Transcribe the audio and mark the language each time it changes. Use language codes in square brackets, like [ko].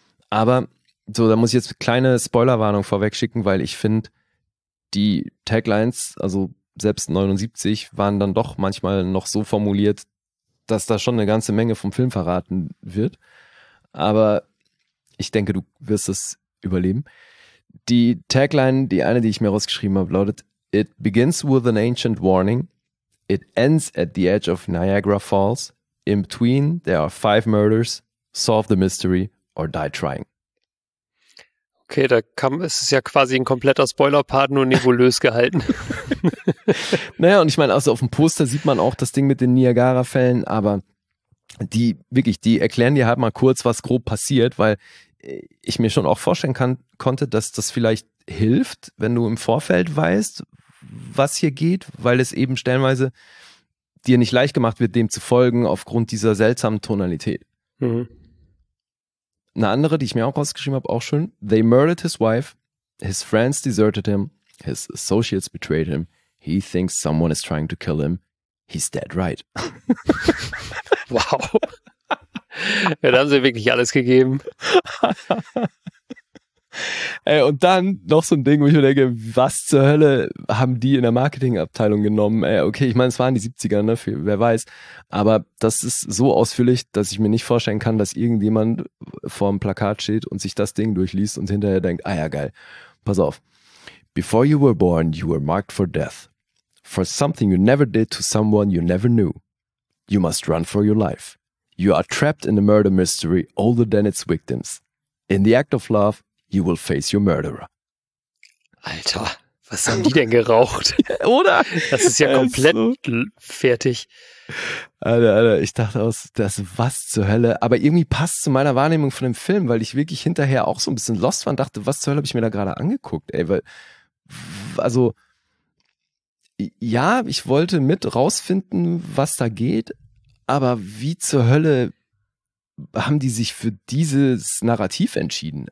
[de] Aber so, da muss ich jetzt eine kleine Spoilerwarnung vorweg schicken, weil ich finde, die Taglines, also selbst 79, waren dann doch manchmal noch so formuliert, dass da schon eine ganze Menge vom Film verraten wird. Aber ich denke, du wirst es überleben. Die Tagline, die eine, die ich mir rausgeschrieben habe, lautet: [en] It begins with an ancient warning. It ends at the edge of Niagara Falls. In between, there are 5 murders. Solve the mystery or die trying. [de] Okay, da kam, es ist ja quasi ein kompletter Spoiler-Part, nur nebulös gehalten. Naja, und ich meine, also auf dem Poster sieht man auch das Ding mit den Niagara-Fällen, aber die wirklich, die erklären dir halt mal kurz, was grob passiert, weil ich mir schon auch vorstellen konnte, dass das vielleicht hilft, wenn du im Vorfeld weißt, was hier geht, weil es eben stellenweise dir nicht leicht gemacht wird, dem zu folgen, aufgrund dieser seltsamen Tonalität. Mhm. Eine andere, die ich mir auch rausgeschrieben habe, auch schön. [en] They murdered his wife, his friends deserted him, his associates betrayed him, he thinks someone is trying to kill him, he's dead right. Wow. [de] Ja, da haben sie wirklich alles gegeben. Ey, und dann noch so ein Ding, wo ich mir denke, was zur Hölle haben die in der Marketingabteilung genommen? Ey, okay, ich meine, es waren die 70er, ne, für, wer weiß. Aber das ist so ausführlich, dass ich mir nicht vorstellen kann, dass irgendjemand vor einem Plakat steht und sich das Ding durchliest und hinterher denkt, ah ja, geil, pass auf. [en] Before you were born, you were marked for death. For something you never did to someone you never knew. You must run for your life. You are trapped in a murder mystery older than its victims. In the act of love, you will face your murderer. [de] Alter, was haben die denn geraucht? Oder? Das ist ja komplett fertig. Alter, ich dachte aus, das was zur Hölle. Aber irgendwie passt zu meiner Wahrnehmung von dem Film, weil ich wirklich hinterher auch so ein bisschen lost war und dachte, was zur Hölle habe ich mir da gerade angeguckt? Ey, weil, also, ja, ich wollte mit rausfinden, was da geht, aber wie zur Hölle haben die sich für dieses Narrativ entschieden?